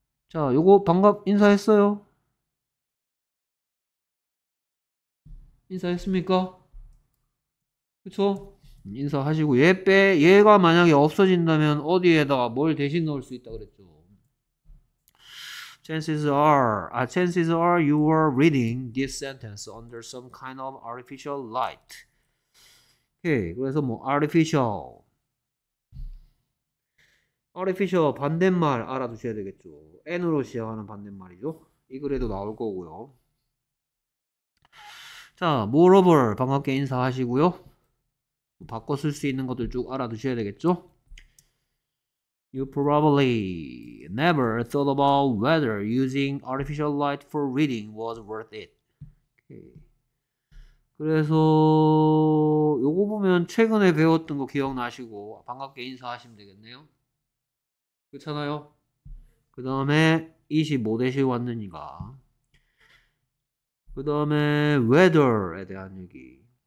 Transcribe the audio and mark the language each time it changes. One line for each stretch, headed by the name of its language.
Korean: 자, 요거 반갑 인사했어요. 인사했습니까? 그쵸? 인사하시고 얘가 만약에 없어진다면 어디에다가 뭘 대신 넣을 수 있다 그랬죠?
English: Chances are you are reading this sentence under some kind of artificial light.
Korean: 오케이, 그래서 뭐 artificial 반대말 알아두셔야 되겠죠. N으로 시작하는 반대말이죠. 이 글에도 나올 거고요. 자, moreover, 반갑게 인사하시고요. 바꿔 쓸수 있는 것들 쭉 알아두셔야 되겠죠?
English: You probably never thought about whether using artificial light for reading was worth it. Okay.
Korean: 그래서, 요거 보면 최근에 배웠던 거 기억나시고, 반갑게 인사하시면 되겠네요. 그렇잖아요? 그 다음에, 25 대시 왔느니가. 그 다음에 weather에 대한 얘기.